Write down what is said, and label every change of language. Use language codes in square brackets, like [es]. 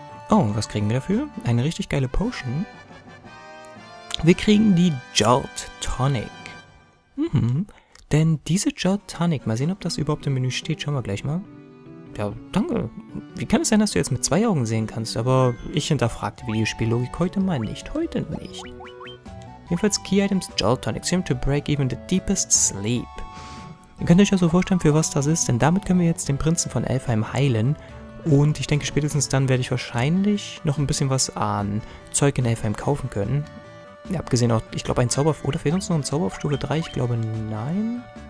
[de] Oh, was kriegen wir dafür? Eine richtig geile Potion. Wir kriegen die Jolt Tonic. Denn diese Jolt Tonic, mal sehen, ob das überhaupt im Menü steht. Schauen wir gleich mal. Ja, danke. Wie kann es sein, dass du jetzt mit zwei Augen sehen kannst? Aber ich hinterfrage die Videospiellogik heute mal nicht. Heute nicht. Jedenfalls [en] Key Items Jolt Tonic seem to break even the deepest sleep. [de] Ihr könnt euch also vorstellen, für was das ist, denn damit können wir jetzt den Prinzen von Elfheim heilen. Und ich denke, spätestens dann werde ich wahrscheinlich noch ein bisschen was an Zeug in Elfheim kaufen können. Ja, abgesehen auch, ich glaube, ein Zauber... Oder fehlt uns noch ein Zauber auf Stufe 3? Ich glaube, nein.